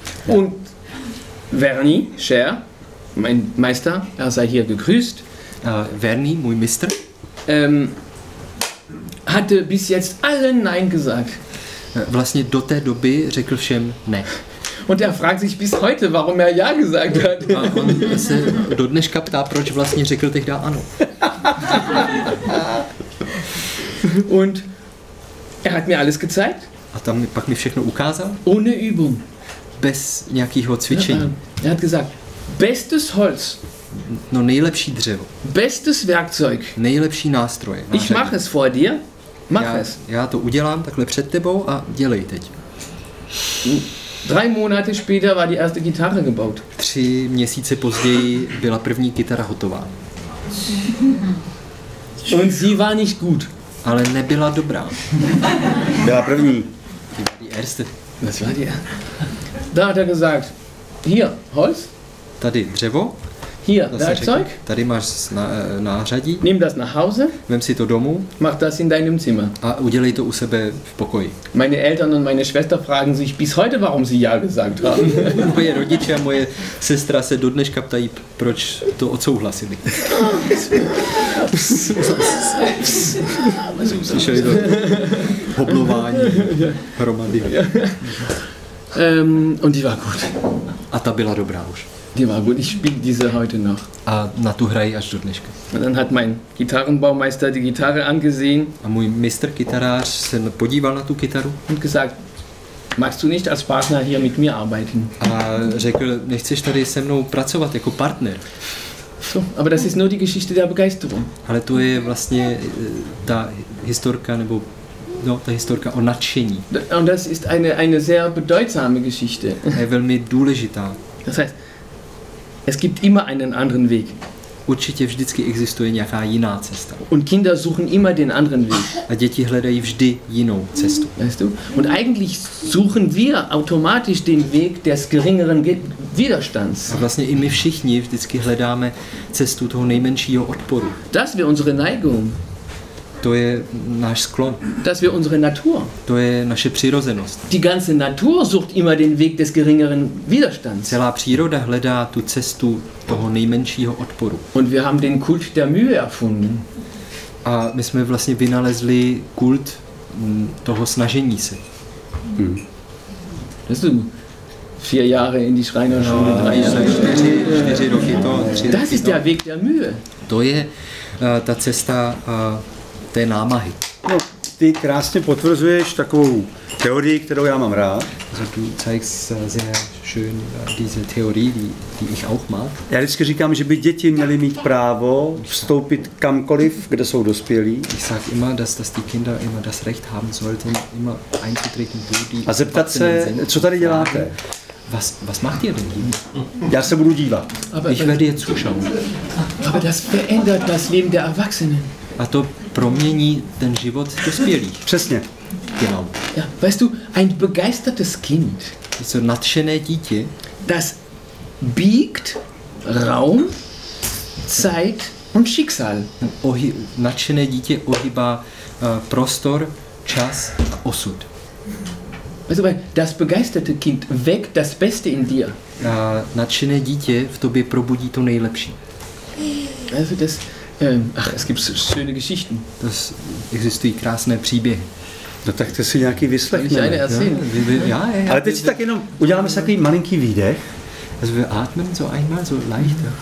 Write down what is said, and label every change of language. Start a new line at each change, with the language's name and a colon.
German: Und Verni, Cher, mein Meister, er sei hier gegrüßt. Verni, mein Meister. Hatte bis jetzt allen Nein gesagt.
Czech: Vlastně do té doby řekl všem ne.
German: Und er fragt sich bis heute, warum er ja gesagt hat.
Czech: A on se do dneška ptá, proč vlastně řekl tehda ano.
German: Und er hat mir alles gezeigt.
Czech: A tam pak mi všechno ukázal.
German: Ohne Übung.
Czech: Bez nějakého cvičení.
German: Er hat gesagt, bestes Holz.
Czech: No nejlepší dřevo.
German: Bestes Werkzeug.
Czech: Nejlepší nástroje.
German: Ich mache es vor dir. Mach es.
Czech: Já to udělám takhle před tebou a dělej teď.
German: Drei Monate später war die erste Gitarre gebaut.
Czech: 3 měsíce později byla první kytara hotová.
German: Und sie war nicht gut.
Czech: Ale nebyla dobrá. Byla první.
German: Die erste. Was war die? Da hat er gesagt, hier, Holz.
Czech: Tady dřevo.
German: Hier, Werkzeug.
Czech: Tady máš nářadí.
German: Nimm das nach Hause.
Czech: Vem si to domů.
German: Mach das in deinem Zimmer.
Czech: A udělej to u sebe v pokoji.
German: Meine Eltern und meine Schwester fragen sich bis heute, warum sie ja gesagt haben.
Czech: Moje rodiče a moje sestra se dodneška ptají, proč to odsouhlasili. Slyšeli to hoblování hromady.
German: Und die war gut.
Czech: A ta byla dobrá už.
German: Die war gut, ich spiele diese heute noch.
Czech: A na tu hraji až do dneška.
German: Und dann hat mein Gitarrenbaumeister die Gitarre angesehen.
Czech: A můj mistr kytarář se podíval na tu kytaru.
German: Und gesagt, magst du nicht als Partner hier mit mir arbeiten?
Czech: A řekl, nechceš tady se mnou pracovat jako partner?
German: So, aber das ist nur die Geschichte der Begeisterung.
Czech: Ale to je vlastně ta historka, nebo no, ta historka o nadšení.
German: Und das ist eine sehr bedeutsame Geschichte.
Czech: A je velmi důležitá.
German: Das heißt, es gibt immer einen anderen Weg.
Czech: Určitě vždycky existuje nějaká jiná cesta.
German: Und Kinder suchen immer den anderen Weg.
Czech: A děti hledají vždy jinou cestu.
German: Weißt du? Und eigentlich suchen wir automatisch den Weg des geringeren Widerstands.
Czech: A vlastně i my všichni vždycky hledáme cestu toho nejmenšího odporu.
German: Das wäre unsere Neigung.
Czech: To je náš sklon.
German: Das wäre unsere Natur.
Czech: To je naše přirozenost.
German: Die ganze Natur sucht immer den Weg des geringeren Widerstands.
Czech: Celá příroda hledá tu cestu toho nejmenšího odporu.
German: Und wir haben den Kult der Mühe erfunden.
Czech: A my jsme vlastně vynalezli kult toho snažení se.
German: Das ist 4 Jahre in die Schreinerschule, 3 Jahre.
Czech: 4 roky to.
German: Das ist der Weg der Mühe.
Czech: To je ta cesta té námahy. No, ty krásně potvrzuješ takovou teorii, kterou já mám rád.
German: Du zeigst sehr schön diese Theorie, die ich auch mag.
Czech: Já vždycky říkám, že by děti měly mít právo vstoupit kamkoliv, kde jsou dospělí.
German: Ich sag immer, dass die Kinder immer das Recht haben sollten, immer einzutreten, wo die.
Czech: A zeptat se, co tady děláte?
German: Was macht ihr denn?
Czech: Já se budu dívat.
German: Ich werde jetzt zuschauen. Aber das verändert das Leben der Erwachsenen.
Czech: A to promění ten život dospělých. Přesně.
German: Genau. Ja, weißt du, ein begeistertes Kind,
Czech: so nadšené dítě,
German: das biegt Raum, Zeit und Schicksal.
Czech: Nadšené dítě ohýbá prostor, čas a osud.
German: Also, weil das begeisterte Kind weckt das Beste in dir.
Czech: Nadšené dítě v tobě probudí to nejlepší.
German: Also das, ach, es gibt so schöne Geschichten.
Czech: Das existují krásné příběhy. No tak to si nějaký vyslechneme.
German: Ja, ja.
Czech: Ale teď si tak jenom uděláme si takový malinký výdech.
German: Also wir atmen so einmal so leicht.